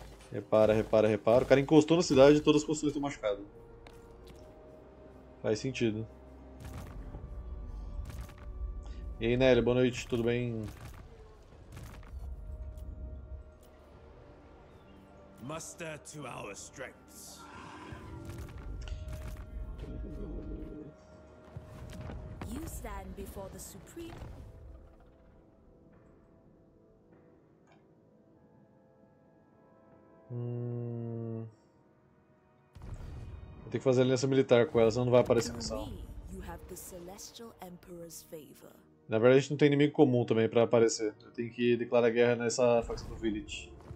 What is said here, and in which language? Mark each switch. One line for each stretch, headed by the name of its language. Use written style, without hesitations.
Portuguese: Repara. O cara encostou na cidade e todas as construções estão machucadas. Faz sentido. E aí, Nelly, boa noite, tudo bem?
English: Muster to our strengths. You stand before the Supreme.
Portuguese: Vou ter que fazer aliança militar com ela, senão não vai aparecer missão.
English: You have the Celestial Emperor's favor.
Portuguese: Na verdade, a gente não tem inimigo comum também pra aparecer. Eu tenho que declarar guerra nessa facção do Village.